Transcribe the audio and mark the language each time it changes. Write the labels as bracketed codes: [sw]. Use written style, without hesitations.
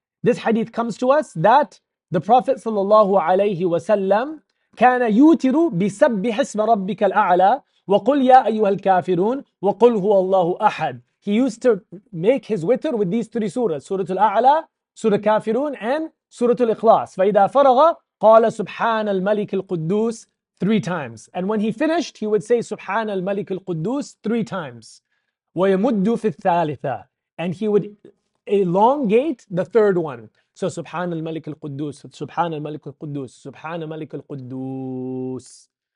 [en] This hadith comes to us that the Prophet sallallahu alayhi wa sallam [ar] كان يوتر بسبح اسم ربك الأعلى وقل يا أيها الكافرون وقل هو الله أحد. [en] He used to make his witr with these three surahs, Surah Al-A'la, Surah Kafirun, and Surah Al-Ikhlas. [ar] فإذا فرغ قال سبحان الملك القدوس [en] three times. And when he finished, he would say [ar] سبحان الملك القدوس [en] three times. [ar] ويمد في الثالثة. [en] And he would elongate the third one. [ar] So سبحان الملك القدوس, سبحان الملك القدوس, سبحان الملك القدوس.